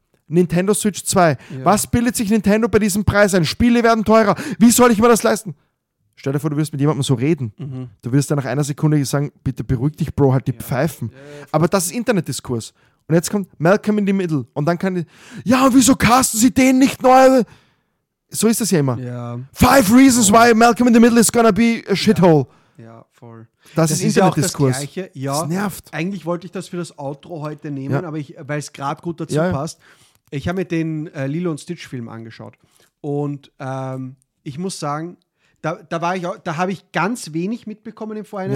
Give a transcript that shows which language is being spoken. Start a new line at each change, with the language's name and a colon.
German: Nintendo Switch 2. Ja. Was bildet sich Nintendo bei diesem Preis ein? Spiele werden teurer. Wie soll ich mir das leisten? Stell dir vor, du wirst mit jemandem so reden. Mhm. Du wirst dann nach einer Sekunde sagen, bitte beruhig dich, Bro, halt die ja. Pfeifen. Aber das ist Internetdiskurs. Und jetzt kommt Malcolm in the Middle. Und dann kann die, ja, wieso casten sie den nicht neu? So ist das ja immer. Ja.
English: 5 reasons why Malcolm in the Middle is gonna be a shithole.
German: Ja, ja voll. Das ist Internetdiskurs. Ja, ja. Das nervt. Eigentlich wollte ich das für das Outro heute nehmen, ja. aber weil es gerade gut dazu ja. passt. Ich habe mir den Lilo und Stitch Film angeschaut. Und ich muss sagen, da habe ich ganz wenig mitbekommen im Vorhinein.